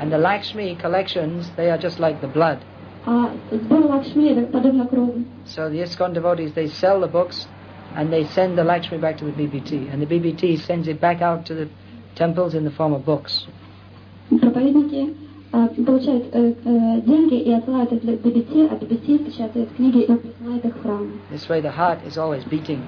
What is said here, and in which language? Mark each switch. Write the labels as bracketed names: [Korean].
[English] And the Lakshmi collections, they are just like the blood. [Russian] А сбор Лакшми это подобно крови. [English] So the ISKCON devotees, they sell the books and they send the Lakshmi back to the BBT, and the BBT sends it back out to the temples in the form of books. This way the heart is always beating.